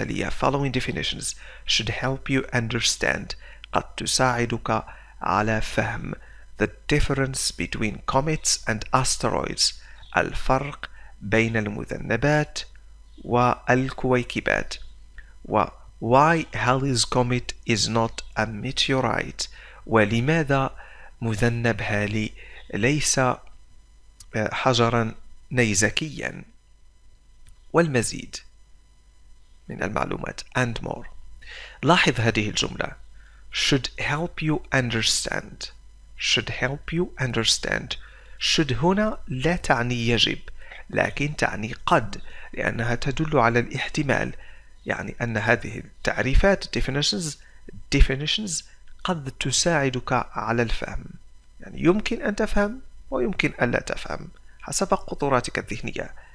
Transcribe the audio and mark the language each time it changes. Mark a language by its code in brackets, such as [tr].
[en] following definitions should help you understand [ar] قد تساعدك على فهم [en] the difference between comets and asteroids [ar] الفرق بين المذنبات والكويكبات و [en] Why Halley's comet is not a meteorite? [ar] ولماذا مذنب هالي ليس حجرا نيزكيا؟ والمزيد من المعلومات [en] and more. [ar] لاحظ هذه الجملة. [en] Should help you understand. [ar] Should هنا لا تعني يجب، لكن تعني قد، لأنها تدل على الاحتمال. يعني أن هذه التعريفات definitions قد تساعدك على الفهم يعني يمكن أن تفهم ويمكن ألا تفهم حسب قدراتك الذهنية.